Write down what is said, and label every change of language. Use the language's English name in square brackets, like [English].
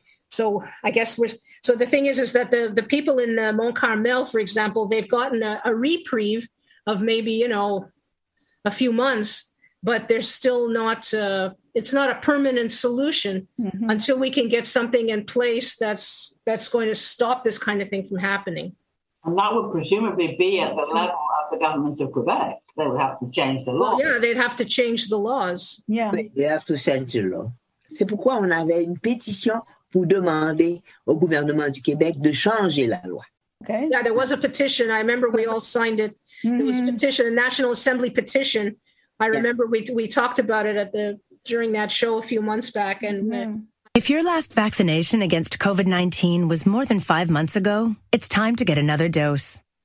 [English] So I guess the thing is that the people in Mont-Carmel, for example, they've gotten a reprieve of maybe, you know, a few months, but there's still not, it's not a permanent solution until we can get something in place that's going to stop this kind of thing from happening. And that would presumably be at the level of the government of Quebec. They would have to change the law. Well, yeah, they'd have to change the laws. Yeah. They have to change the law. [French] C'est pourquoi on avait une pétition pour demander au gouvernement du Québec de changer la loi. [English] Okay. Yeah, there was a petition. I remember we all signed it. Mm-hmm. There was a petition, a National Assembly petition. I remember we talked about it during that show a few months back. And if your last vaccination against COVID-19 was more than 5 months ago, it's time to get another dose.